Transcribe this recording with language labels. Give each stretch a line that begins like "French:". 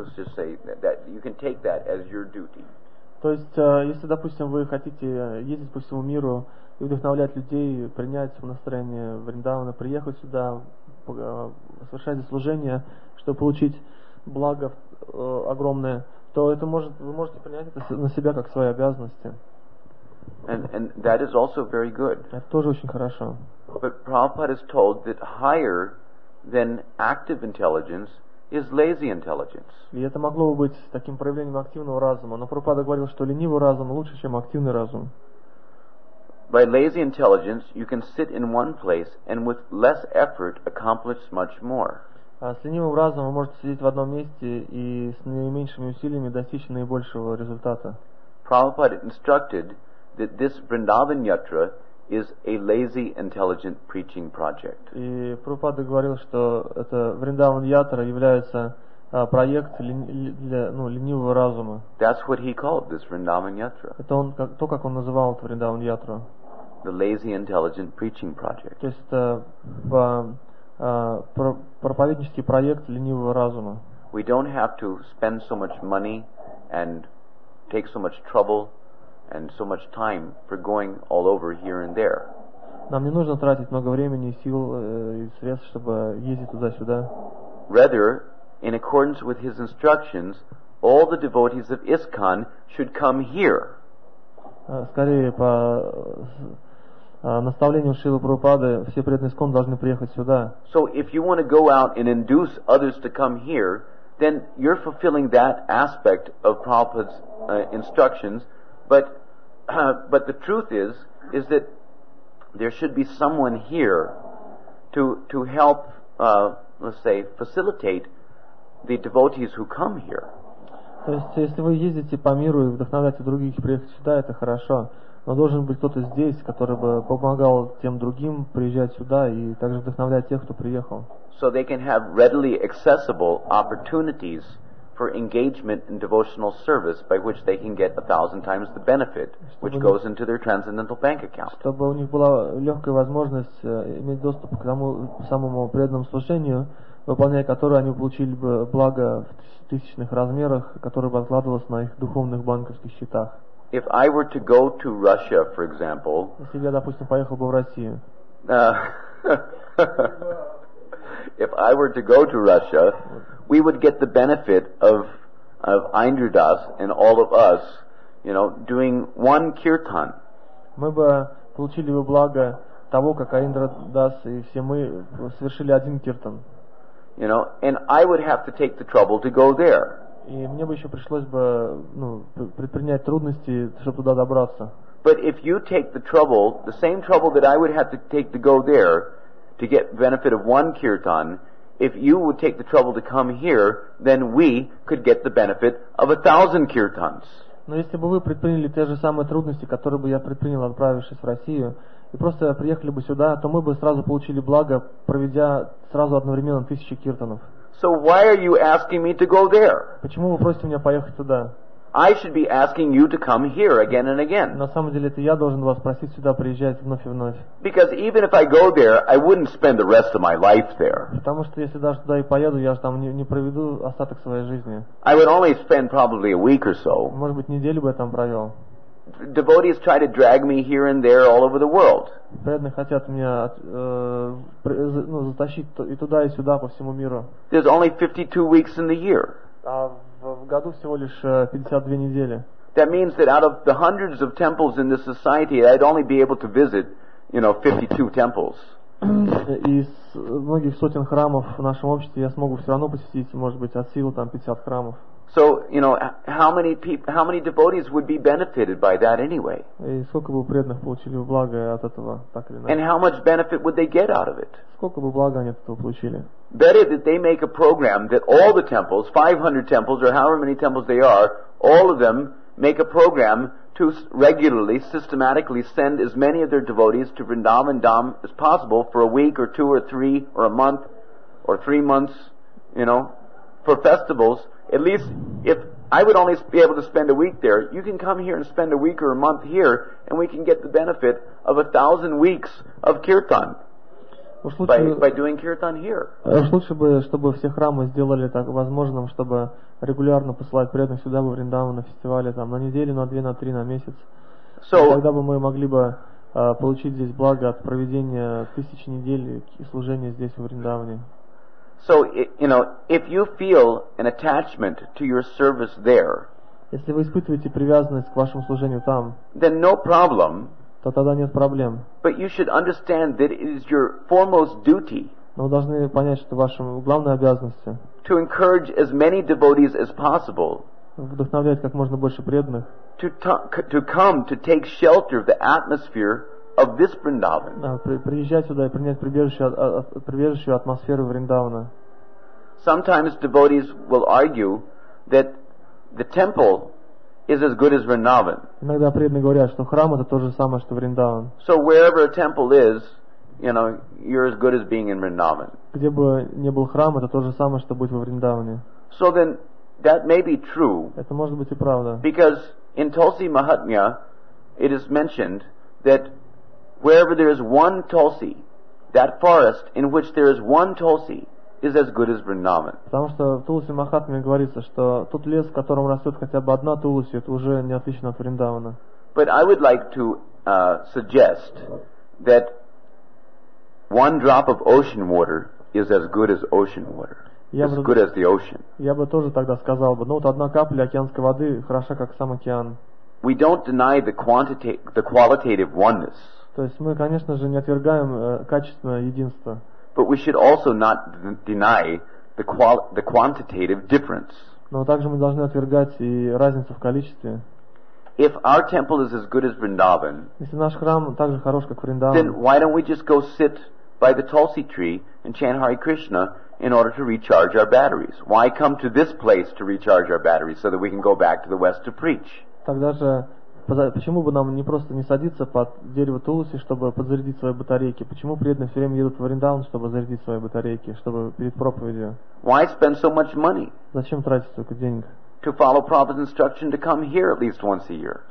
English: Let's just say that you can take that as your duty.
Russian: То есть, если, допустим, вы хотите ездить по всему миру и вдохновлять людей принять настроение Вриндавана, приехать сюда, совершать служение, чтобы получить благо огромное, то это может, вы можете принять это на себя как свои обязанности.
English: And that is also very good.
Russian: Это тоже очень хорошо.
English: But Prabhupada is told that higher than active intelligence is lazy intelligence.
Russian: И это могло бы быть таким проявлением активного разума, но Прабхупада говорил, что ленивый разум лучше, чем активный разум.
English: By lazy intelligence, you can sit in one place and with less effort accomplish much more.
Russian: А с ленивым разумом вы можете сидеть в одном месте и с наименьшими усилиями достичь наибольшего результата.
English: Prabhupada instructed that this Vrindavan Yatra is a lazy intelligent preaching project.
Russian: И Прабхупада говорил, что это Вриндаван Ятра является проект для, ну, ленивого разума.
English: That's what he called this Vrindavan Yatra.
Russian: Это он то, как он называл это Вриндаван Ятру.
English: The lazy intelligent preaching project.
Russian: То есть это проповеднический проект ленивого разума.
English: We don't have to spend so much money and take so much trouble and so much time for going all over here and there.
Russian: Нам не нужно тратить много времени, сил и средств, чтобы ездить туда-сюда.
English: Rather, in accordance with his instructions, all the devotees of ISKCON should come here.
Russian: Скорее, по наставлению Шрилы Прабхупады, все преданные ISKCON должны приехать сюда.
English: So if you want to go out and induce others to come here, then you're fulfilling that aspect of Prabhupada's instructions. But the truth is that there should be someone here to help, let's say, facilitate the devotees who come here.
Russian: То есть, если вы ездите по миру и вдохновляете других приехать сюда, это хорошо. Но должен быть кто-то здесь, который бы помогал тем другим приезжать сюда и также вдохновлять тех, кто приехал.
English: So they can have readily accessible opportunities for engagement in devotional service by which they can get 1,000 times the benefit which goes into their transcendental bank account.
Russian: Чтобы у них была легкая возможность иметь доступ к тому самому преданному служению, выполняя которое они получили бы благо в тысячных размерах, которое бы откладывалось на их духовных банковских счетах.
English: If I were to go to Russia, for example,
Russian: если бы я, допустим, поехал бы в Россию,
English: if I were to go to Russia, we would get the benefit of Indradas and all of us, you know, doing one kirtan.
Russian: Мы бы получили бы благо того, как Индрадас и все мы совершили один киртан.
English: You know, and I would have to take the trouble to go there.
Russian: И мне бы еще пришлось бы, ну, предпринять трудности, чтобы туда добраться.
English: But if you take the trouble, the same trouble that I would have to take to go there to get benefit of one kirtan, if you would take the trouble to come here, then we could get the benefit of 1,000 kirtans.
Russian: Но если бы вы предприняли те же самые трудности, которые бы я предпринял, отправившись в Россию, и просто приехали бы сюда, то мы бы сразу получили благо, проведя сразу одновременно 1,000 киртанов.
English: So why are you asking me to go there?
Russian: Почему вы просите меня поехать туда?
English: I should be asking you to come here again and again.
Russian: На самом деле, это я должен вас просить сюда приезжать вновь и вновь.
English: Because even if I go there, I wouldn't spend the rest of my life there.
Russian: Потому что если даже туда и поеду, я же там не проведу остаток своей жизни.
English: I would only spend probably a week or so.
Russian: Может быть, неделю бы я там провел.
English: Devotees try to drag me here and there all over the world.
Russian: Преданные хотят меня затащить и туда, и сюда, по всему миру.
English: There's only 52 weeks in the year.
Russian: В году всего лишь 52 недели.
English: That means that out of the hundreds of temples in this society, I'd only be able to visit, you know, 52 temples.
Russian: Из многих сотен храмов в нашем обществе я смогу все равно посетить, может быть, от силы там 50 храмов.
English: So, you know, how many devotees would be benefited by that anyway?
Russian: И сколько бы преданных получили благо от этого, так или иначе?
English: And how much benefit would they get out of it?
Russian: Сколько бы блага они от этого получили?
English: Better that they make a program that all the temples, 500 temples or however many temples they are, all of them make a program to regularly, systematically send as many of their devotees to Vrindavan Dham as possible for a week or two or three or a month or 3 months, you know, for festivals. At least if I would only be able to spend a week there, you can come here and spend a week or a month here and we can get the benefit of 1,000 weeks of kirtan. By doing kirtan here.
Russian: Лучше бы, чтобы все храмы сделали так возможным, чтобы регулярно посылать преданных сюда во Вриндаван на фестивале там на неделю, на две, на три, на месяц.
English: So,
Russian: тогда бы мы могли бы получить здесь благо от проведения тысяч недель и служения здесь во Вриндаване.
English: So, you know, if you feel an attachment to your service there,
Russian: если вы испытываете привязанность к вашему служению там,
English: then no problem.
Russian: То тогда нет проблем.
English: But you should understand that it is your foremost duty.
Russian: Но вы должны понять, что вашим главной обязанностью.
English: To encourage as many devotees as possible.
Russian: Вдохновлять как можно больше преданных.
English: To come to take shelter of the atmosphere of this Vrindavan.
Russian: Приезжать сюда и принять прибежище атмосферу Вриндавана.
English: Sometimes devotees will argue that the temple is as good as Vrindavan.
Russian: Иногда преданные говорят, что храм это то же самое, что Вриндаван.
English: So wherever a temple is, you know, you're as good as being in Vrindavan.
Russian: Где бы ни был храм, это то же самое, что быть во Вриндаване.
English: So then that may be true.
Russian: Это может быть и правда.
English: Because in Tulsi Mahatmya it is mentioned that wherever there is one Tulsi, that forest in which there is one Tulsi is as good as Vrindavan.
Russian: Потому что в Тулси Махатме говорится, что тот лес, в котором растет хотя бы одна Тулси, это уже не отлично от Вриндавана.
English: But I would like to suggest that one drop of ocean water is as good as ocean water. As good as the ocean.
Russian: Я бы тоже тогда сказал бы, ну вот одна капля океанской воды хороша, как сам океан.
English: We don't deny the qualitative oneness.
Russian: То есть мы, конечно же, не отвергаем качественное единство.
English: But we should also not deny the quantitative difference.
Russian: Но также мы должны отвергать и разницу в количестве.
English: If our temple is as good as Vrindavan,
Russian: если наш храм так же хорош, как Вриндаван,
English: then why don't we just go sit by the Tulsi tree and chant Hare Krishna in order to recharge our batteries? Why come to this place to recharge our batteries so that we can go back to the West to preach?
Russian: Тогда же почему бы нам не просто не садиться под дерево Тулуси, чтобы подзарядить свои батарейки? Почему преданные все время едут в Вриндаван, чтобы зарядить свои батарейки, чтобы перед проповедью?
English: Why spend so much money?
Russian: Зачем тратить столько денег?
English: To follow Prabhupada's instruction to come here at least once a year.